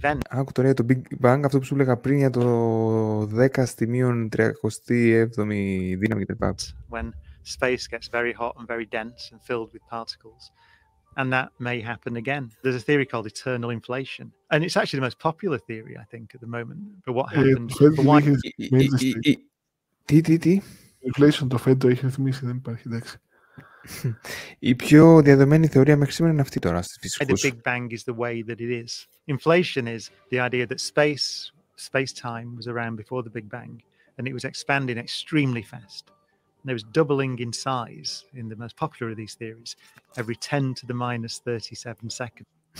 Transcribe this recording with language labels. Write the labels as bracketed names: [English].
[Greek] Άκου τώρα για το Big Bang, αυτό που σου έλεγα πριν για το 10 στη μείον 37η δύναμη κτλ. [English] When space gets very hot and very dense and filled with particles, and that may happen again. There's a theory called eternal inflation, and it's actually the most popular theory, I think, at the moment. But what happened? [Greek] Τι? Inflation, το Fed το έχει ρυθμίσει, δεν υπάρχει, εντάξει. Η πιο διαδεδομένη θεωρία μέχρι σήμερα είναι αυτή τώρα στις φυσικούς. [English] The Big Bang is the way that it is. Inflation is the idea that space-time was around before the Big Bang, and it was expanding extremely fast. And it was doubling in size, in the most popular of these theories, every 10 to the minus 37 seconds.